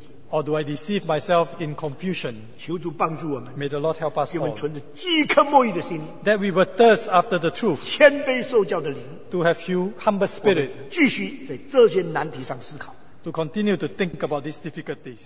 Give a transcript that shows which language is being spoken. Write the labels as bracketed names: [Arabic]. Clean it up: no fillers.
[English] Or do I deceive myself in confusion? [Chinese] 求主帮助我们, [English] may the Lord help us all. That we will thirst after the truth. [Chinese] 谦卑受教的灵, [English] to have you humble spirit. [Chinese] 继续在这些难题上思考, [English] to continue to think about these difficulties.